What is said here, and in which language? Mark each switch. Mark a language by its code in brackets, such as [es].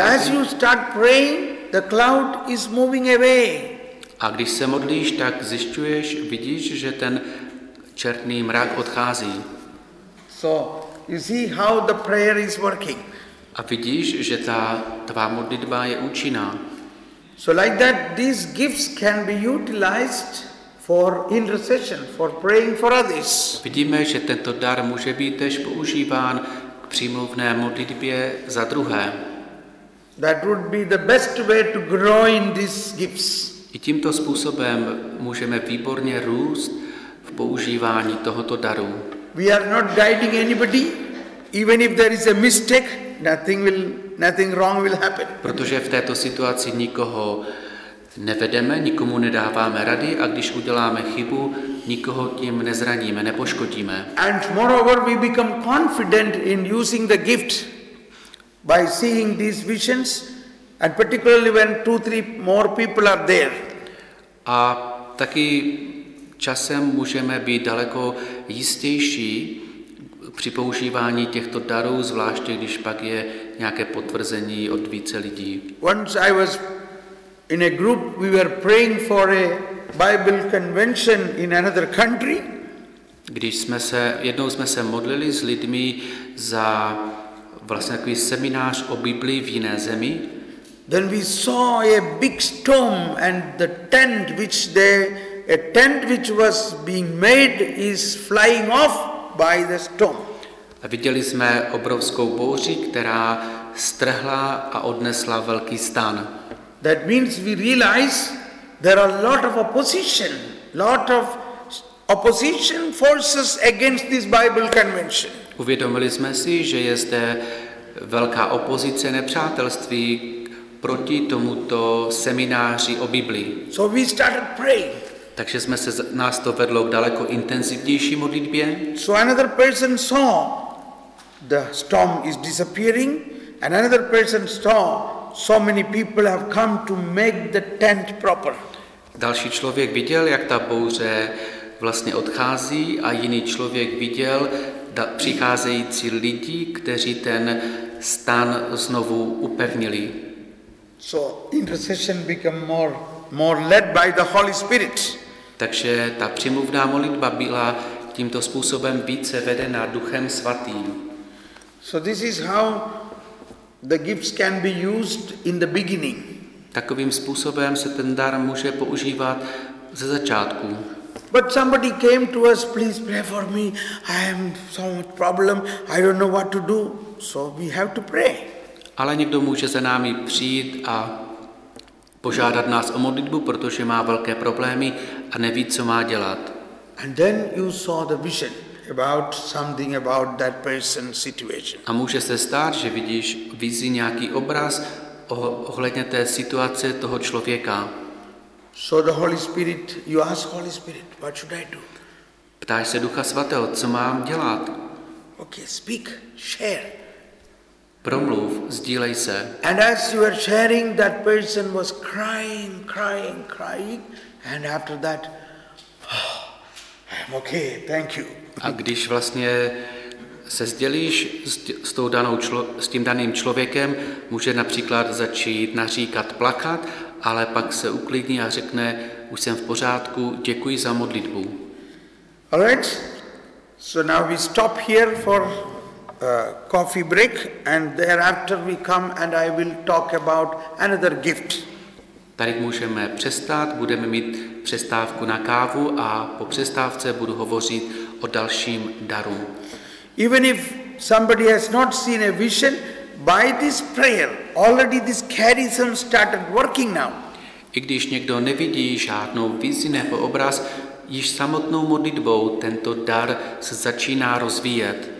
[en] And as you start praying, the cloud is moving away. [cs] A když se modlíš, tak zjišťuješ, vidíš, že ten černý mrak odchází. [en] So, you see how the prayer is working. [cs] A vidíš, že ta tvá modlitba je účinná. [en] So like that these gifts can be utilized for intercession, for praying for others. [cs] Vidíme, že tento dar může být též používán k přímluvné modlitbě za druhé. [en] That would be the best way to grow in these gifts. [cs] I tímto způsobem můžeme výborně růst v používání tohoto daru. [en] We are not guiding anybody, even if there is a mistake, nothing wrong will happen. [cs] Protože v této situaci nikoho nevedeme, nikomu nedáváme rady a když uděláme chybu, nikoho tím nezraníme, nepoškodíme. [en] And moreover, we become confident in using the gift by seeing these visions. And particularly when 2-3 more people are there. [cs] A taky časem můžeme být daleko jistější při používání těchto darů, zvláště když pak je nějaké potvrzení od více lidí. [en] Once I was in a group, we were praying for a Bible convention in another country. [cs] Když jsme se jednou jsme se modlili s lidmi za vlastně takový seminář o Biblii v jiné zemi. [en] Then we saw a big storm and the tent which they a tent which was being made is flying off by the storm. [cs] A viděli jsme obrovskou bouři, která strhla a odnesla velký stan. [en] That means we realize there are lot of opposition forces against this Bible convention. [cs] Uvědomili jsme si, že je zde velká opozice nepřátelství proti tomuto semináři o Biblii. [en] So we started praying. [cs] Takže jsme se nás to vedlo k daleko intenzivnější modlitbě. [en] So another person saw the storm is disappearing and another person saw so many people have come to make the tent proper. [cs] Další člověk viděl, jak ta bouře vlastně odchází a jiný člověk viděl přicházející lidi, kteří ten stan znovu upevnili. [en] So intercession became more led by the Holy Spirit. [cs] Takže ta přímluvná modlitba byla tímto způsobem více vedena Duchem Svatým. [en] So this is how the gifts can be used in the beginning. [cs] Takovým způsobem se ten dar může používat ze začátku. [en] But somebody came to us, please pray for me. I am so much problem. I don't know what to do. So we have to pray. [cs] Ale někdo může za námi přijít a požádat nás o modlitbu, protože má velké problémy a neví, co má dělat. [en] And then you saw the vision about something about that person's situation. [cs] A může se stát, že vidíš vizi nějaký obraz ohledně té situace toho člověka. [en] So the Holy Spirit, you ask Holy Spirit, what should I do? [cs] Ptáš se Ducha Svatého, co mám dělat? [en] Okay, speak, share. [cs] Promluv, sdílej se. [en] And as you were sharing, that person was crying, crying, crying, and after that, I'm okay, thank you. [cs] A když vlastně se sdělíš s tím daným člověkem, může například začít naříkat, plakat, ale pak se uklidní a řekne, už jsem v pořádku, děkuji za modlitbu. [en] All right, so now we stop here for coffee break and thereafter we come and I will talk about another gift. [cs] Tady můžeme přestat, budeme mít přestávku na kávu a po přestávce budu hovořit o dalším daru. [en] Even if somebody has not seen a vision, by this prayer, already this charism started working now. [cs] I když někdo nevidí žádnou vizi nebo obraz, již samotnou modlitbou tento dar se začíná rozvíjet.